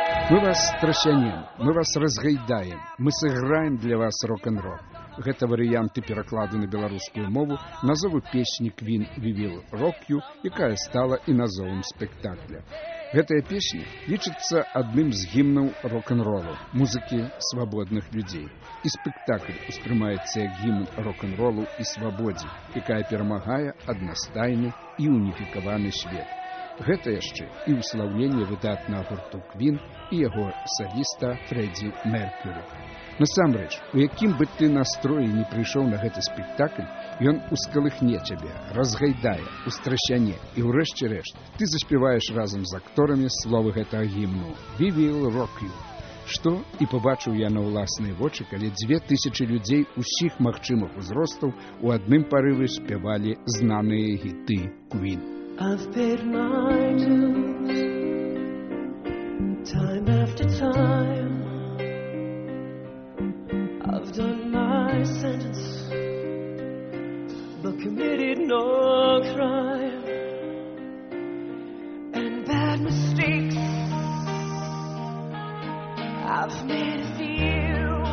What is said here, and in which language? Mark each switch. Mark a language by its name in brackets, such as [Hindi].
[Belarusian] Мы вас страсянем, мы вас разгайдаем, мы сыграем для вас рок-н-рол. Гэта варыянты перакладу на беларускую мову назовы песні Queen We Will Rock You, якая стала і назовам спектакля. Гэтая песня лічыцца адным з гімнаў рок-н-ролу, музыкі свабодных людзей. І спектакль успрымаецца як гімн рок-н-ролу і свабодзе, якая перамагае аднастайны і уніфікаваны свет. Гэта яшчэ і ўслаўленне выдатнага гурту Queen і яго саліста Фрэдзі Меркюры. Насамрэч, у якім бы ты настроі не прыйшоў на гэты спектакль, ён ускалыхне цябе, разгайдае, устрасяне, і ўрэшце рэшт ты заспяваеш разам з акторамі словы гэтага гімну «We will rock you». Што і пабачыў я на ўласныя вочы, калі 2000 людзей усіх магчымых узростаў у адным парывы спявалі знаныя гіты Queen. [English] I've paid my dues time after time. I've done my sentence but committed no crime, and bad mistakes I've made a few.